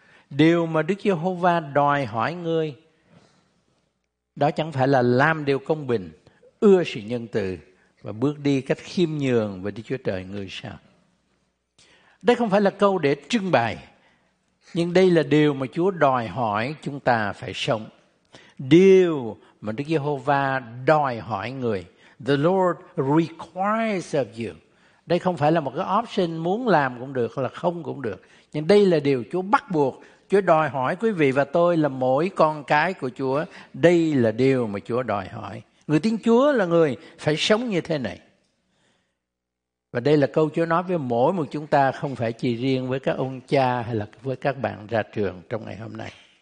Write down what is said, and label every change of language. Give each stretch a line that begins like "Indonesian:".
Vietnamese: Điều mà Đức Giê-hô-va đòi hỏi ngươi, đó chẳng phải là làm điều công bình, ưa sự nhân từ và bước đi cách khiêm nhường với Đức Chúa Trời ngươi sao? Đây không phải là câu để trưng bày, nhưng đây là điều mà Chúa đòi hỏi chúng ta phải sống. Điều mà Đức Giê-hô-va đòi hỏi ngươi.
English: The Lord requires of you.
Vietnamese: Đây không phải là một cái option muốn làm cũng được hoặc là không cũng được. Nhưng đây là điều Chúa bắt buộc, Chúa đòi hỏi quý vị và tôi là mỗi con cái của Chúa. Đây là điều mà Chúa đòi hỏi. Người tin Chúa là người phải sống như thế này. Và đây là câu Chúa nói với mỗi một chúng ta, không phải chỉ riêng với các ông cha hay là với các bạn ra trường trong ngày hôm nay.